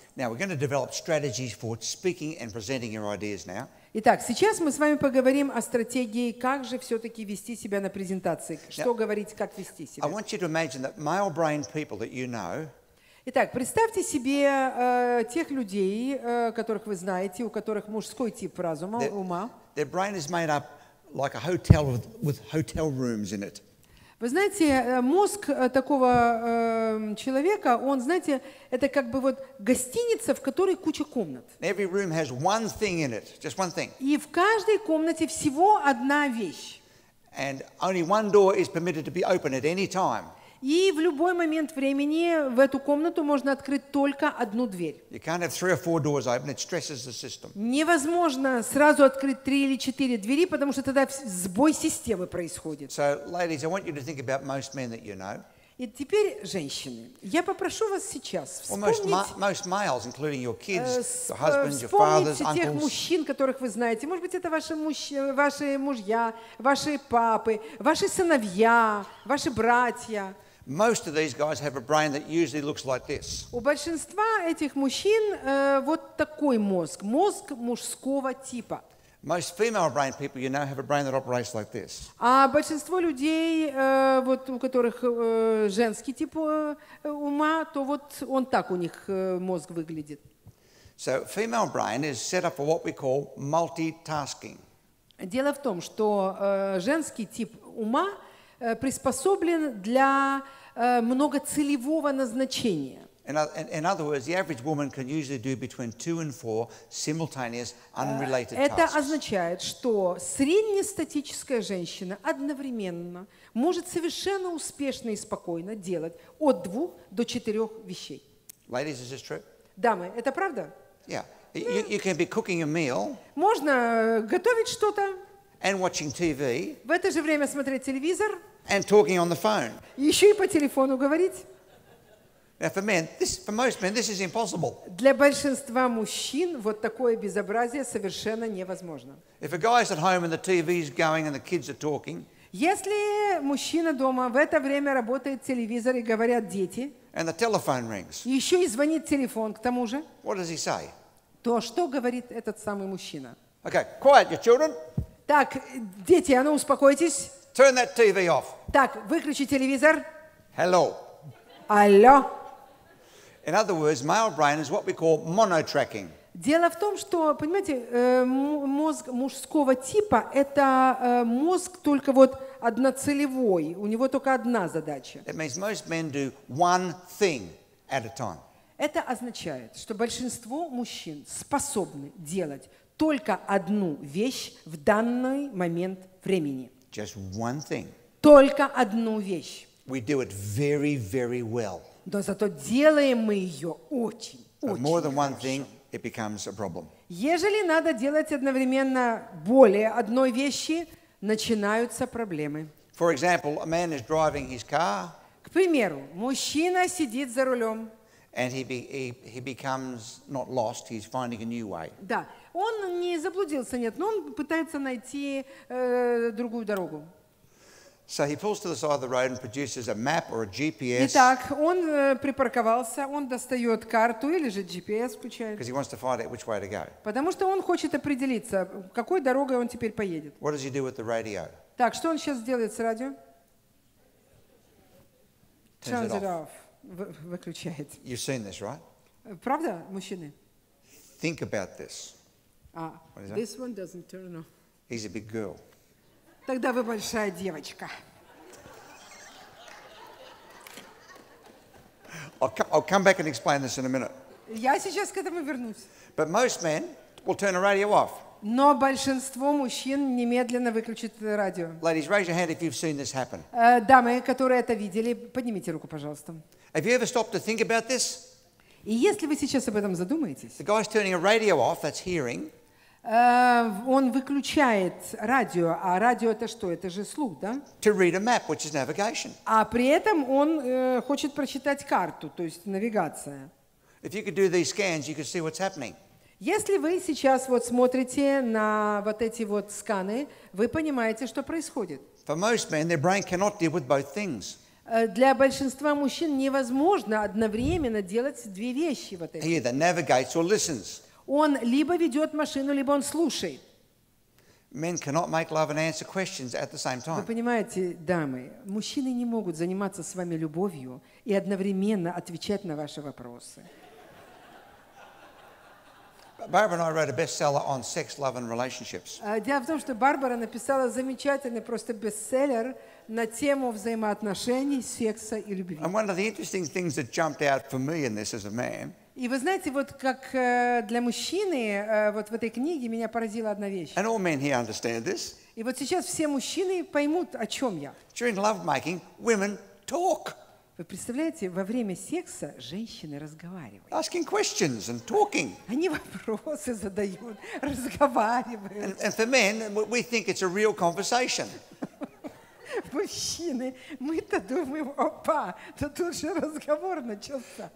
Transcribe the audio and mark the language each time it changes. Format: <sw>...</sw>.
<en>Now we're going to develop strategies for speaking and presenting your ideas now.</en> <ru>Итак, сейчас мы с вами поговорим о стратегии, как же все-таки вести себя на презентации, что говорить, как вести себя.</ru> <en>I want you to imagine that male brain people that you know.</en> <ru>Итак, представьте себе тех людей, которых вы знаете, у которых мужской тип разума, ума.</ru> <en>Their brain is made up like a hotel with hotel rooms in it.</en> <ru>Вы знаете, мозг такого человека, он, знаете, это как бы вот гостиница, в которой куча комнат.</ru> <en>Every room has one thing in it, just one thing.</en> <ru>И в каждой комнате всего одна вещь.</ru> <en>And only one door is permitted to be open at any time.</en> <ru>И в любой момент времени в эту комнату можно открыть только одну дверь.</ru> <en>You can't have three or four doors open. It stresses the system.</en> <ru>Невозможно сразу открыть три или четыре двери, потому что тогда сбой системы происходит.</ru> <en>So, ladies, I want you to think about most men that you know.</en> <ru>И теперь, женщины, я попрошу вас сейчас вспомнить тех мужчин, которых вы знаете. Может быть, это ваши мужья, ваши папы, ваши сыновья, ваши братья.</ru> <en>Most of these guys have a brain that usually looks like this.</en> <ru>У большинства этих мужчин вот такой мозг, мозг мужского типа.</ru> <en>Most female brain people you know have a brain that operates like this.</en> <ru>А большинство людей вот у которых женский тип ума, то вот он так у них мозг выглядит.</ru> <en>So female brain is set up for what we call multitasking.</en> <ru>Дело в том, что женский тип ума приспособлен для многоцелевого назначения.</ru> <en>In other words, the average woman can usually do between two and four simultaneous, unrelated tasks.</en> <ru>Это означает, что среднестатическая женщина одновременно может совершенно успешно и спокойно делать от двух до четырех вещей.</ru> <en>Ladies, is this true?</en> <ru>Дамы, это правда?</ru> <en>Yeah. You can be cooking a meal.</en> <ru>Можно готовить что-то.</ru> <en>And watching TV.</en> <ru>В это же время смотреть телевизор.</ru> <en>And talking on the phone.</en> <ru>Еще и по телефону говорить.</ru> <en>For men, for most men, this is impossible.</en> <ru>Для большинства мужчин вот такое безобразие совершенно невозможно.</ru> <en>If a guy is at home and the TV is going and the kids are talking.</en> <ru>Если мужчина дома в это время работает телевизор и говорят дети,</ru> <en>and the telephone rings.</en> <ru>И еще и звонит телефон к тому же,</ru> <en>what does he say?</en> <ru>То что говорит этот самый мужчина?</ru> <en>Okay, quiet, your children.</en> <ru>Так, дети, а ну успокойтесь.</ru> <en>Turn that TV off.</en> <ru>Так, выключи телевизор.</ru> <en>Hello.</en> <ru>Алло.</ru> <en>In other words, male brain is what we call monotracking.</en> <ru>Дело в том, что, понимаете, мозг мужского типа — это мозг только вот одноцелевой. У него только одна задача.</ru> <en>It means most men do one thing at a time.</en> <ru>Это означает, что большинство мужчин способны делать только одну вещь в данный момент времени.</ru> <en>Just one thing.</en> <ru>Только одну вещь.</ru> <en>We do it very, very well.</en> <ru>Но зато делаем мы ее очень,</ru> <en>but more than one thing, it becomes a problem.</en> <ru>Ежели надо делать одновременно более одной вещи, начинаются проблемы.</ru> <en>For example, a man is driving his car.</en> <ru>К примеру, мужчина сидит за рулем.</ru> <en>And he becomes not lost, he's finding a new way.</en> <ru>Да, он не заблудился, нет, но он пытается найти другую дорогу.</ru> <en>So he pulls to the side of the road and produces a map or a GPS.</en> <ru>Итак, он припарковался, он достает карту или же GPS включает.</ru> <en>Because he wants to find out which way to go.</en> <ru>Потому что он хочет определиться, какой дорогой он теперь поедет.</ru> <en>What does he do with the radio?</en> <ru>Так, что он сейчас делает с радио?</ru> <en>Turns it off.</en> <ru>Выключает.</ru> <en>You've seen this, right?</en> <ru>Правда, мужчины?</ru> <en>Think about this. What is that? This one doesn't turn off. He's a big girl.</en> <ru>Тогда вы большая девочка.</ru> <en>I'll come back and explain this in a minute.</en> <ru>Я сейчас к этому вернусь.</ru> <en>But most men will turn a radio off.</en> <ru>Но большинство мужчин немедленно выключит радио.</ru> <en>Ladies, raise your hand if you've seen this happen.</en> <ru>Дамы, которые это видели, поднимите руку, пожалуйста.</ru> <en>Have you ever stopped to think about this?</en> <ru>И если вы сейчас об этом задумаетесь.</ru> <en>The guy's turning a radio off. That's hearing.</en> <ru>Он выключает радио, а радио это что? Это же слух, да?</ru> <en>To read a map, which is navigation.</en> <ru>А при этом он хочет прочитать карту, то есть навигация.</ru> <en>If you could do these scans, you could see what's happening.</en> <ru>Если вы сейчас вот смотрите на вот эти вот сканы, вы понимаете, что происходит.</ru> <en>For most men, their brain cannot deal with both things.</en> <ru>Для большинства мужчин невозможно одновременно делать две вещи вот эти.</ru> <en>He either navigates or listens.</en> <ru>Он либо ведет машину, либо он слушает. Вы понимаете, дамы, мужчины не могут заниматься с вами любовью и одновременно отвечать на ваши вопросы. Дело в том, что Барбара написала замечательный просто бестселлер на тему взаимоотношений, секса и любви. И одна из интересных вещей, которая выпала для меня в этом, как мужчина, и вы знаете, вот как для мужчины, вот в этой книге меня поразила одна вещь.</ru> <en>And all men here understand this.</en> <ru>И вот сейчас все мужчины поймут, о чем я.</ru> <en>During lovemaking, women talk.</en> <ru>Вы представляете, во время секса женщины разговаривают.</ru> <en>Asking questions and talking.</en> <ru>Они вопросы задают, разговаривают.</ru> <en>And for men, we think it's a real conversation.</en> <ru>Мужчины, мы-то думаем, опа, да тут же разговор начался.</ru>